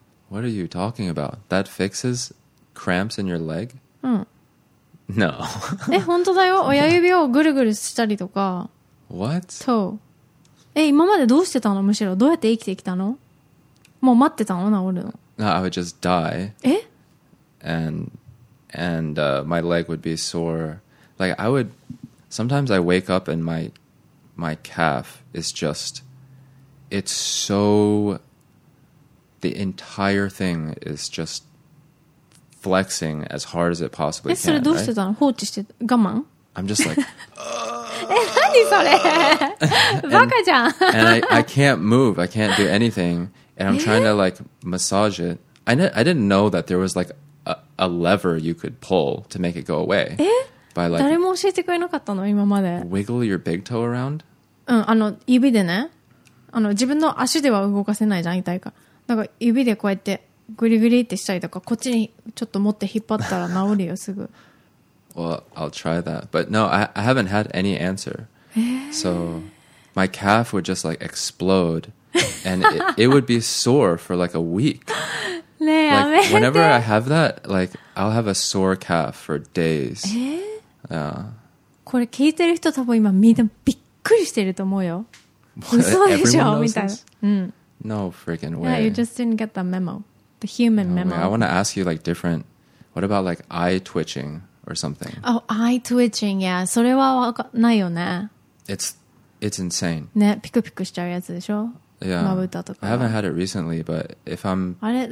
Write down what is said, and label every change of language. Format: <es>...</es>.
<en>What are you talking about? That fixes cramps in your leg?</en> <ja>うん</ja> <en>No</en> <ja>え本当だよ親指をぐるぐるしたりとか</ja> <en>What?</en> <ja>そう今までどうしてたのむしろどうやって生きてきたのもう待ってたの治るの</ja> <en>No, I would just die And my leg would be sore Like I would Sometimes I wake up and my calf is just it's so the entire thing is just flexing as hard as it possibly can</en> <ja>それどうしてたの放置して我慢</ja> <en>I'm just like</en> <ja>何それバカじゃん</ja> <en>and I can't move I can't do anything and I'm trying to like massage it I didn't know that there was like a lever you could pull to make it go away by like</en> <ja>誰も教えてくれなかったの今まで</ja> <en>wiggle your big toe around</en> <ja>うん、指でね自分の足では動かせないじゃん痛いかだから指でこうやってグリグリってしたりとかこっちにちょっと持って引っ張ったら治るよすぐ</ja> <en>Well, I'll try that But no, I haven't had any answer So my calf would just like explode And it would be sore for like a week</en> <ja>ねえ、</ja> <en>like,</en> <ja>やめて</ja> <en>Whenever I have that, like I'll have a sore calf for days</en> <ja>これ聞いてる人多分今みんなびっびっくりしてると思うよ。嘘でしょ</ja> <en>Everyone knows</en> <ja>みたいな。</ja> <en>No freaking way. Yeah, you just didn't get the memo. The human memo. I want to ask you like different. What about like eye twitching or something? Oh, eye twitching. Yeah,</en> <ja>それはわかないよね。</ja> <en>It's insane.</en> <ja>ね、ピクピクしちゃうやつでしょ</ja> <en>Yeah.</en> <ja>まぶたとか。</ja> <en>I haven't had it recently, but if I'm tired,</en>